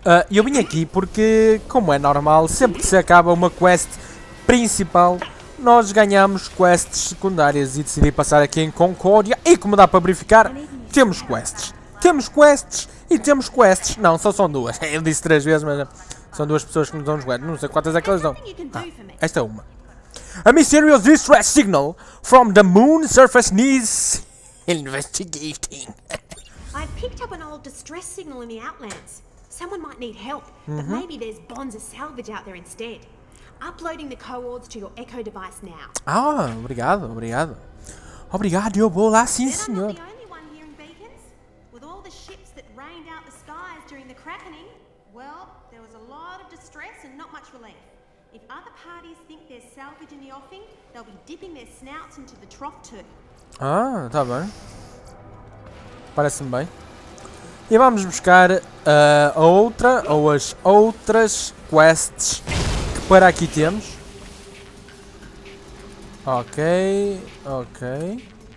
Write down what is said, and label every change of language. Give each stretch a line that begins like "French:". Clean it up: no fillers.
Portuguese: Eu vim aqui porque, como é normal, sempre que se acaba uma quest principal, nós ganhamos quests secundárias e decidi passar aqui em Concórdia e, como dá para verificar, temos quests. Temos quests e temos quests. Não, só são duas. Eu disse três vezes, mas são duas pessoas que nos dão os quests. Não sei quantas é que elas dão. Ah, esta é uma.
English: A mysterious distress signal from the moon surface needs investigating. I picked up an old distress signal in the Outlands. Someone might need help, but maybe there's Bonza Salvage out there instead. Uploading the coords to your Echo device now.
Portuguese: Ah, obrigado, obrigado. Obrigado, eu vou lá, sim, senhor.
English: Then I'm not the only one here in Beacons. With all the ships that rained out the skies during the Krakening, well, there was a lot of distress and not much relief. If other parties think there's salvage in the offing, they'll be dipping their snouts into the trough too.
Portuguese: Ah, tá bem. Parece-me bem. E vamos buscar a outra, ou as outras quests que para aqui temos. Ok, ok.